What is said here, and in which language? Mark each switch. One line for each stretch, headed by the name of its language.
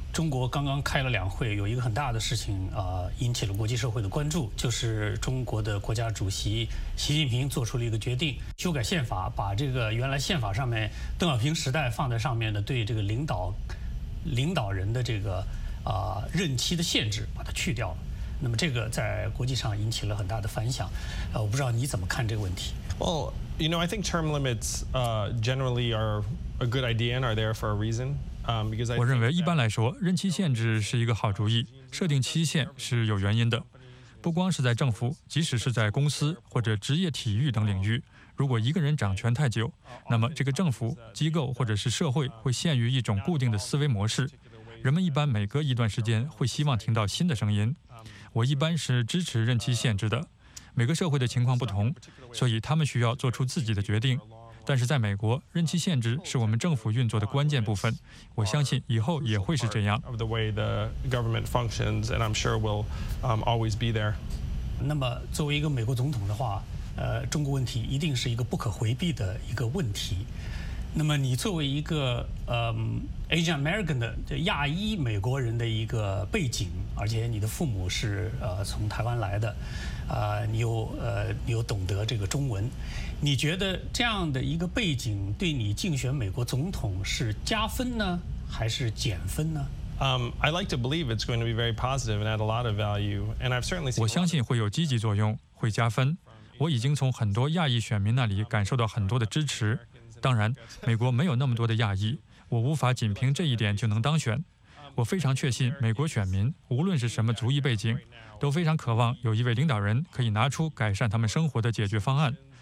Chinese: 中国刚刚开了两会，有一个很大的事情引起了国际社会的关注，就是中国的国家主席习近平做出了一个决定，修改宪法，把这个原来宪法上面邓小平时代放在上面的对这个领导人的这个任期的限制把它去掉了。那么这个在国际上引起了很大的反响，我不知道你怎么看这个问题。
English: Well, you know, I think term limits generally are. A good idea and are there for a reason. Because
Chinese: 我认为一般来说，任期限制是一个好主意。设定期限是有原因的，不光是在政府，即使是在公司或者职业体育等领域，如果一个人掌权太久，那么这个政府机构或者是社会会陷于一种固定的思维模式。人们一般每隔一段时间会希望听到新的声音。我一般是支持任期限制的。每个社会的情况不同，所以他们需要做出自己的决定。但是在美国，任期限制是我们政府运作的关键部分，我相信以后也会是这样。
English: Of the way the government functions, and I'm sure will always be there.
Chinese: 那么作为一个美国总统的话，中国问题一定是一个不可回避的一个问题。那么你作为一个
English: Asian American
Chinese: 的亚裔美国人的一个背景，而且你的父母是从台湾来的，你又懂得这个中文，你觉得这样的一个背景对你竞选美国总统是加分呢，还是减分呢？
English: I like to believe it's going to be very positive and add a lot of value, and I've certainly
Chinese: 我相信会有积极作用，会加分。我已经从很多亚裔选民那里感受到很多的支持。当然，美国没有那么多的亚裔，我无法仅凭这一点就能当选。我非常确信美国选民，无论是什么族裔背景，都非常渴望有一位领导人可以拿出改善他们生活的解决方案。